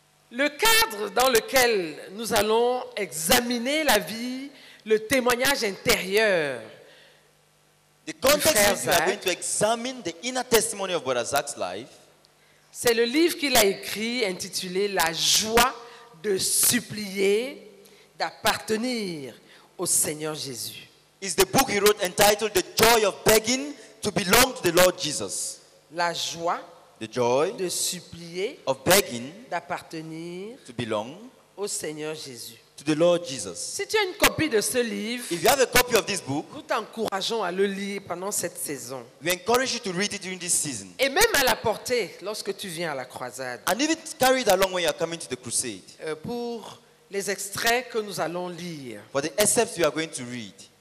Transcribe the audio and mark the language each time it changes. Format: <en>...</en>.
<fr>Le cadre dans lequel nous allons examiner la vie, le témoignage intérieur</fr> <en>The context is that we're going to examine the inner testimony of Brother Zach's life.</en> <fr>C'est le livre qu'il a écrit intitulé La joie de supplier d'appartenir au Seigneur Jésus.</fr> <en>It's the book he wrote entitled The Joy of Begging to Belong to the Lord Jesus.</en> <fr>La joie</fr> <en>the joy</en> <fr>de supplier</fr> <en>of begging</en> <fr>d'appartenir</fr> <en>to belong</en> <fr>au Seigneur Jésus.</fr> <en>To the Lord Jesus.</en> <fr>Si tu as une copie de ce livre,</fr> <en>if you have a copy of this book,</en> <fr>nous t'encourageons à le lire pendant cette saison.</fr> <en>We encourage you to read it during this season.</en> <fr>Et même à la porter lorsque tu viens à la croisade.</fr> <en>And even carry it along when you are coming to the crusade.</en> <fr>Pour les extraits que nous allons lire.</fr> <en>For the excerpts we are going to read.</en>